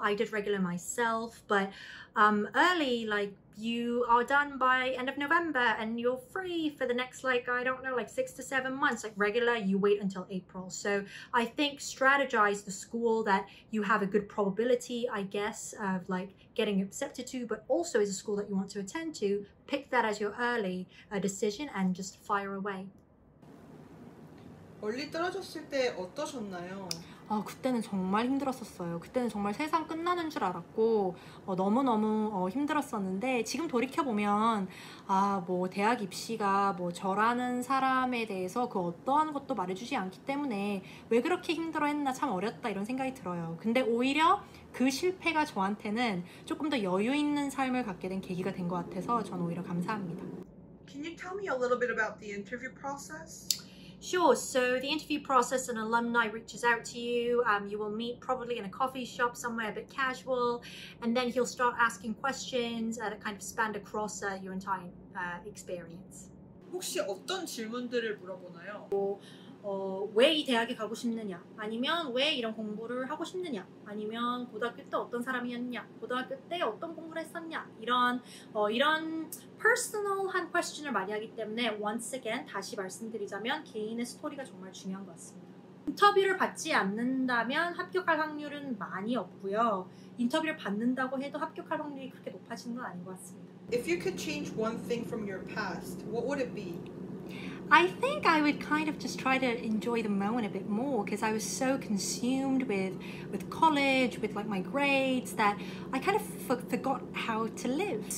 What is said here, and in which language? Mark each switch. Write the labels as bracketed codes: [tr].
[en] I did regular myself, but early, like you are done by end of November and you're free for the next, like, I don't know, like 6 to 7 months. Like regular, you wait until April. So I think strategize the school that you have a good probability, I guess, of like getting accepted to, but also is a school that you want to attend to. Pick that as your early decision and just fire away. [ko] 멀리 떨어졌을 때 어떠셨나요? 그때는 정말 힘들었었어요. 그때는 정말 세상 끝나는 줄 알았고 너무너무 힘들었었는데 지금 돌이켜보면 뭐 대학 입시가 뭐 저라는 사람에 대해서 그 어떠한 것도 말해주지 않기 때문에 왜 그렇게 힘들어했나 참 어렵다 이런 생각이 들어요. 근데 오히려 그 실패가 저한테는 조금 더 여유 있는 삶을 갖게 된 계기가 된 것 같아서 전 오히려 감사합니다. [en] Can you tell me a little bit about the interview process? Sure, so the interview process, an alumni reaches out to you, you will meet probably in a coffee shop somewhere a bit casual, and then he'll start asking questions that kind of span across your entire experience. [ko] 혹시 어떤 질문들을 물어보나요? 왜 이 대학에 가고 싶느냐? 아니면 왜 이런 공부를 하고 싶느냐? 아니면 고등학교 때 어떤 사람이었냐? 고등학교 때 어떤 공부를 했었냐? 이런 personal한 question을 많이 하기 때문에 [en] once again [ko] 다시 말씀드리자면 개인의 스토리가 정말 중요한 것 같습니다. 인터뷰를 받지 않는다면 합격할 확률은 많이 없고요. 인터뷰를 받는다고 해도 합격할 확률이 그렇게 높아지는 건 아닌 것 같습니다. [en] If you could change one thing from your past, what would it be? I think I would kind of just try to enjoy the moment a bit more because I was so consumed with college, with like my grades, that I kind of forgot how to live.